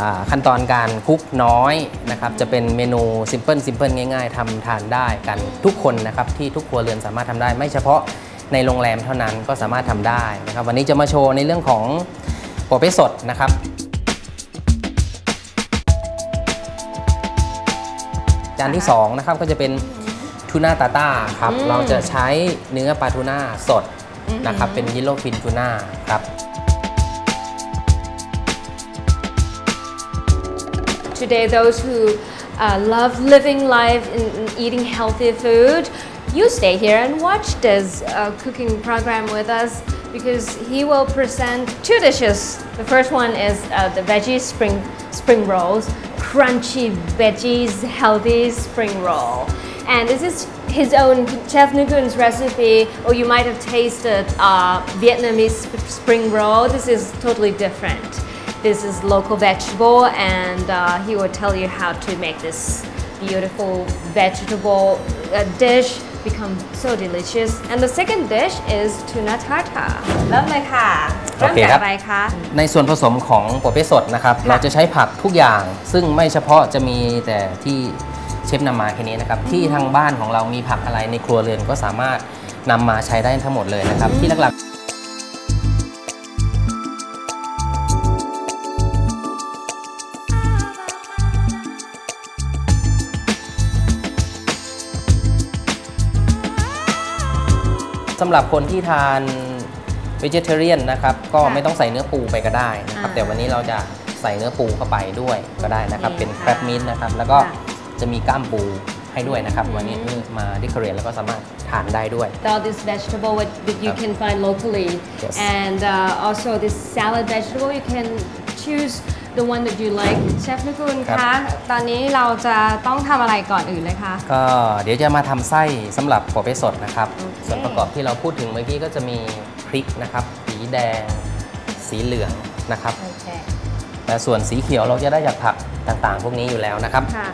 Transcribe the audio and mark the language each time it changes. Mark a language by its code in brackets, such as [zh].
[th] ขั้นตอนการคุกน้อยนะครับ จะเป็นเมนูซิมเพิลง่ายๆทำทานได้กันทุกคนนะครับ ที่ทุกครัวเรือนสามารถทำได้ ไม่เฉพาะในโรงแรมเท่านั้นก็สามารถทำได้นะครับ วันนี้จะมาโชว์ในเรื่องของปอเปี๊ยะสดนะครับ จานที่2นะครับ ก็จะเป็น ทูน่าตาต้าครับ เราจะใช้เนื้อปลาทูน่าสด นะครับ เป็นยิลโลฟินทูน่าครับ [en] Today those who love living life and eating healthy food you stay here and watch this cooking program with us because he will present two dishes. The first one is the veggie spring rolls, crunchy veggies healthy spring roll. And this is his own Chef Nugun's recipe, or you might have tasted Vietnamese spring roll. This is totally different. This is local vegetable, and he will tell you how to make this beautiful vegetable dish become so delicious. And the second dish is tuna tartar. [th] เริ่มเลยค่ะ เริ่มจากอะไรคะ ในส่วนผสมของปอเปี๊ยะสดนะครับ เราจะใช้ผักทุกอย่างซึ่งไม่เฉพาะจะมีแต่ที่ เชฟนำมาแค่นี้นะครับ ที่ทางบ้านของเรามีผักอะไรในครัวเรือนก็สามารถนำมาใช้ได้ทั้งหมดเลยนะครับ ที่หลักๆ สำหรับคนที่ทานเวเจเทเรียนนะครับ ก็ไม่ต้องใส่เนื้อปูไปก็ได้นะครับ แต่วันนี้เราจะใส่เนื้อปูเข้าไปด้วยก็ได้นะครับ เป็นแครบมิ้นท์นะครับ แล้วก็ จะมีก้ามปูให้ด้วยนะครับ วันนี้มาดีคอเรียนแล้วก็สามารถทานได้ด้วย [en] All this vegetable that you can find locally yes. And also this salad vegetable you can choose the one that you like Chef Nugun [th] คะตอนนี้เราจะต้องทำอะไรก่อนอื่นเลยคะ ก็เดี๋ยวจะมาทำไส้สำหรับปอเปี๊ยะสดนะครับ ส่วนประกอบที่เราพูดถึงเมื่อกี้ก็จะมีพริกนะครับ สีแดงสีเหลืองนะครับ แต่ส่วนสีเขียวเราจะได้จากผักต่างๆพวกนี้อยู่แล้วนะครับ